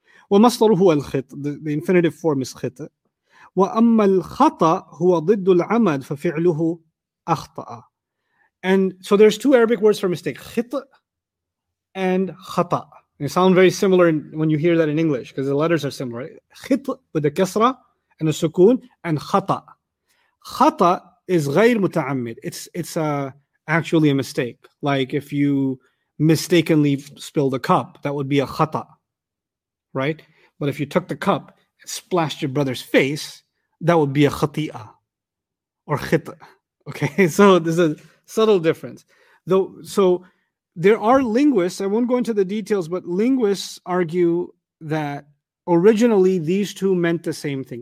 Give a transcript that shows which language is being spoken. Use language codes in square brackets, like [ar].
[ar] وَمَصْدَرُ هُوَ الْخِطَ [en] The infinitive form is خِطَ [ar] وَأَمَّا الْخَطَى هُوَ ضِدُّ الْعَمَدِ فَفِعْلُهُ أَخْطَأَ [en] And so there's two Arabic words for mistake, خِطَ and خَطَى. They sound very similar when you hear that in English because the letters are similar. خِطَ with a كَسْرَ and a سُكُون and خَطَى. [ar] خَطَى is غَيْر مُتَعَمِّد. [en] It's a actually a mistake. Like if you mistakenly spilled a cup, that would be a khata, right? But if you took the cup and splashed your brother's face, that would be a khati'a or khita. Okay, so there's a subtle difference. Though, so there are linguists, I won't go into the details, but linguists argue that originally these two meant the same thing.